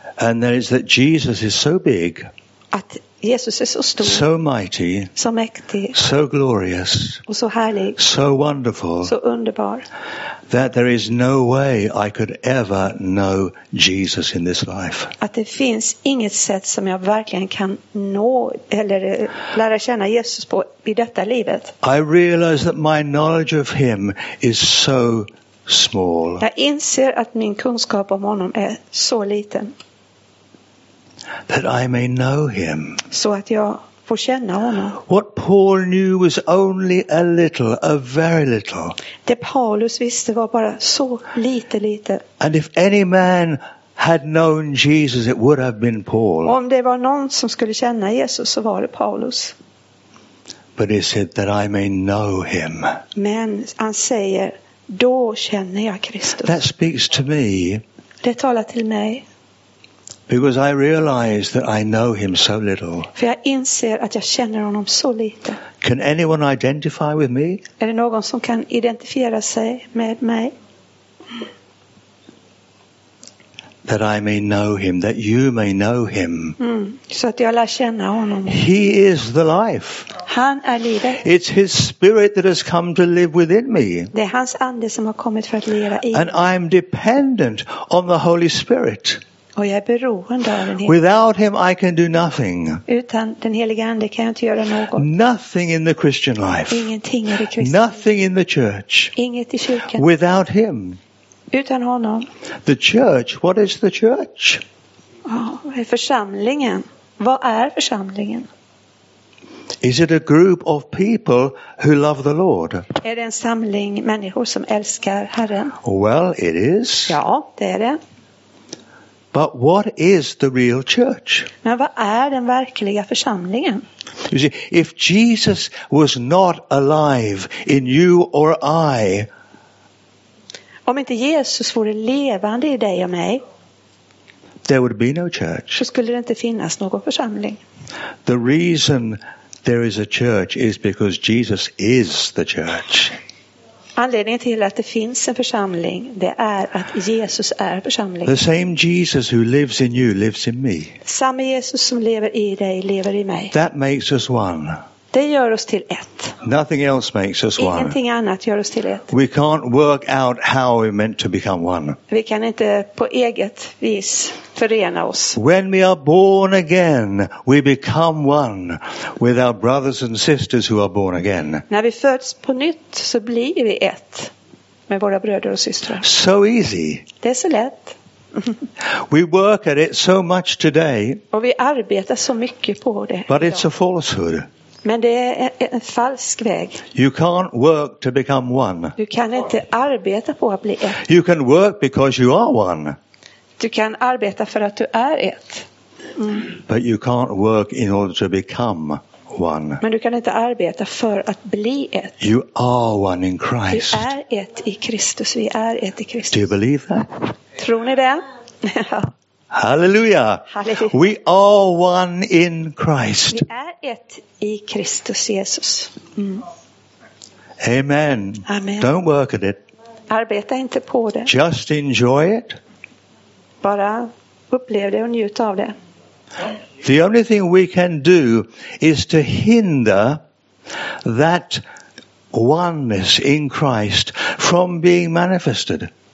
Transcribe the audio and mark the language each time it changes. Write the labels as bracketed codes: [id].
[en] And that is that Jesus is so big. [sv] Att Jesus är så stor. [en] So mighty. [sv] Så mäktig. [en] So glorious. [sv] Och så härlig. [en] So wonderful. [sv] Så underbar. [en] That there is no way I could ever know Jesus in this life. [sv] Att det finns inget sätt som jag verkligen kan nå eller lära känna Jesus på i detta livet. [en] I realize that my knowledge of him is so small. [sv] Jag inser att min kunskap om honom är så liten. [en] That I may know him. [sv] Så att jag får känna honom. [en] What Paul knew was only a little, a very little. [sv] Det Paulus visste var bara så lite, lite. [en] And if any man had known Jesus, it would have been Paul. [sv] Om det var någon som skulle känna Jesus, så var det Paulus. [en] But he said that I may know him. [sv] Men han säger, då känner jag Kristus. [en] That speaks to me. [sv] Det talar till mig. [en] Because I realize that I know him so little. [sv] För jag inser att jag känner honom så lite. [en] Can anyone identify with me? [sv] Är det någon som kan identifiera sig med mig? [en] That I may know him, that you may know him. [sv] Så att jag lär känna honom. [en] He is the life. [sv] Han är livet. [en] It's his spirit that has come to live within me. [sv] Det är hans ande som har kommit för att leva i. [en] And I'm dependent on the Holy Spirit. [sv] Och jag är beroende av den. [en] Without him I can do nothing. [sv] Utan den helige ande kan jag inte göra något. [en] Nothing in the Christian life. [sv] Ingenting i det kristna. [en] Nothing in the church. [sv] Inget i kyrkan. [en] Without him. [sv] Utan honom. [en] The church, what is the church? [sv] Vad är församlingen? Vad är församlingen? [en] Is it a group of people who love the Lord? [sv] Är det en samling människor som älskar Herren? [en] Well, it is. [sv] Ja, det är det. [en] But what is the real church? [sv] Men vad är den verkliga församlingen? [en] You see, if Jesus was not alive in you or I. [sv] Om inte Jesus vore levande i dig och mig. [en] There would be no church. [sv] Så skulle det inte finnas någon församling. [en] The reason there is a church is because Jesus is the church. [sv] Anledningen till att det finns en församling, det är att Jesus är församlingen. [en] The same Jesus who lives in you lives in me. [sv] Samma Jesus som lever i dig lever i mig. [en] That makes us one. [sv] Det gör oss till ett. [en] Nothing else makes us one. [sv] Ingenting annat gör oss till ett. [en] We can't work out how we're meant to become one. [sv] Vi kan inte på eget vis förena oss. [en] When we are born again, we become one with our brothers and sisters who are born again. [sv] När vi föds på nytt så blir vi ett med våra bröder och systrar. [en] So easy. [sv] Det är så lätt. [en] We work at it so much today. [sv] Och vi arbetar så mycket på det. [en] But it's a falsehood. [sv] Men det är en falsk väg. [en] You can't work to become one. [sv] Du kan inte arbeta på att bli ett. [en] You can work because you are one. [sv] Du kan arbeta för att du är ett. [en] But you can't work in order to become one. [sv] Men du kan inte arbeta för att bli ett. [en] You are one in Christ. [sv] Vi är ett i Kristus. Vi är ett i Kristus. [en] Do you believe that? [sv] Tror ni det? [en] Hallelujah. [sv] Halleluja. [en] We are one in Christ. [sv] Vi är ett i Kristus Jesus. [en] Amen. [sv] Amen. [en] Don't work at it. [sv] Arbeta inte på det. [en] Just enjoy it. [sv] Bara upplev det och njut av det. [en] The only thing we can do is to hinder that oneness in Christ from being manifested.